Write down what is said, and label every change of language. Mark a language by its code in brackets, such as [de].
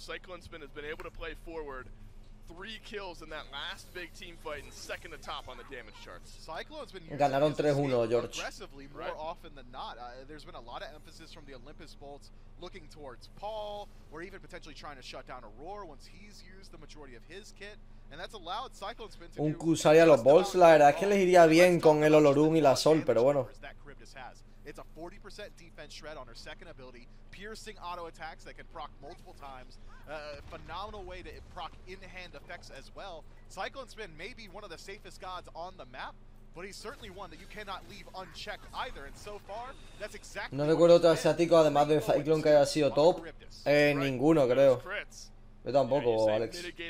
[en] Cyclone Spin has been able to play forward. Three kills in that last big team fight and second to top on the damage charts. Cyclone's been [es] ganaron 3-1, [en] George. Aggressively, more right. Often than not, there's been a lot of emphasis from the Olympus Bolts looking towards Paul, or even potentially trying to shut down Aurora once he's used the majority of his kit, and that's allowed Cyclone's been to [es] un Kusari a los Bolts. La verdad es que les iría bien con el Olorun y la Sol, pero bueno. [en] It's a 40% defense shred on her second ability, piercing auto attacks that can proc multiple times, a phenomenal way to proc in-hand effects as well. Cyclone Spin may be one of the safest gods on the map, but he's certainly one that you cannot leave unchecked either, and so far, that's exactly [es] no recuerdo otro asiático, además de Cyclone, que haya sido top. Ninguno, creo. Yo tampoco, Alex.